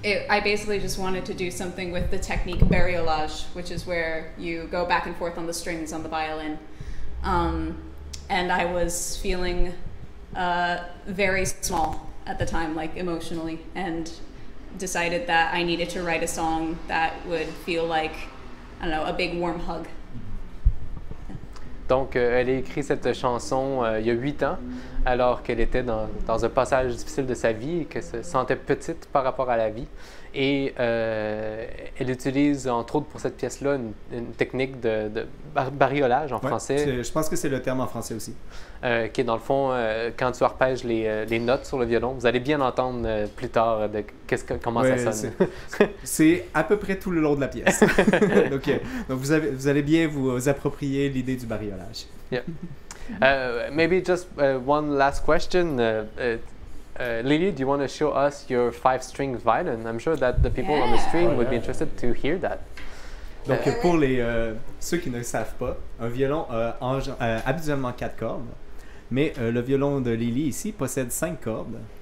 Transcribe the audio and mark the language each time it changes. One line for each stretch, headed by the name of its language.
English: I basically just wanted to do something with the technique bariolage, which is where you go back and forth on the strings on the violin. And I was feeling very small at the time, like emotionally, and decided that I needed to write a song that would feel like, I don't know, a big warm hug.
French: Donc, elle a écrit cette chanson il y a 8 ans, alors qu'elle était dans un passage difficile de sa vie et qu'elle se sentait petite par rapport à la vie. Et elle utilise, entre autres, pour cette pièce-là, une technique de bariolage en français. Je pense que c'est le terme en français aussi. Qui est, dans le fond, quand tu arpèges les notes sur le violon, vous allez bien entendre plus tard comment ça sonne. C'est à peu près tout le long de la pièce. donc vous allez bien vous approprier l'idée du bariolage.
English: Maybe just one last question. Lily, do you want to show us your 5-string violin? I'm sure that the people on the stream would be interested to hear that.
French: Donc, pour ceux qui ne savent pas, un violon a habituellement 4 cordes, mais le violon de Lily ici possède 5 cordes.